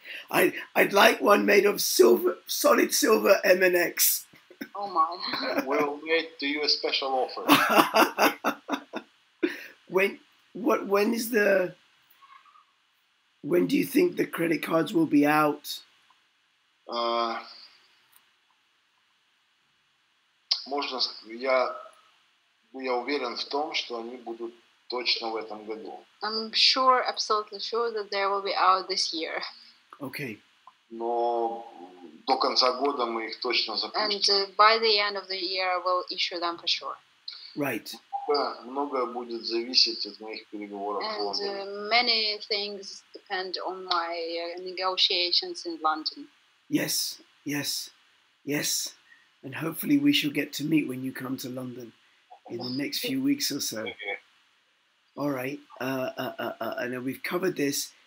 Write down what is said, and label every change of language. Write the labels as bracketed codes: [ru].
[en] I'd like one made of silver, solid silver MNX. Oh my! We'll do you a special offer. When do you think the credit cards will be out? [ru] Можно я уверен в том, что они будут точно в этом году. [en] I'm sure, absolutely sure that they will be out this year. Okay. [ru] Но до конца года мы их точно запустим. [en] And by the end of the year, I will issue them for sure. Right. [ru] Многое будет зависеть от моих переговоров в Лондоне. [en] And many things depend on my negotiations in London. Yes, yes, yes. And hopefully we shall get to meet when you come to London in the next few weeks or so. Okay. All right. I know we've covered this.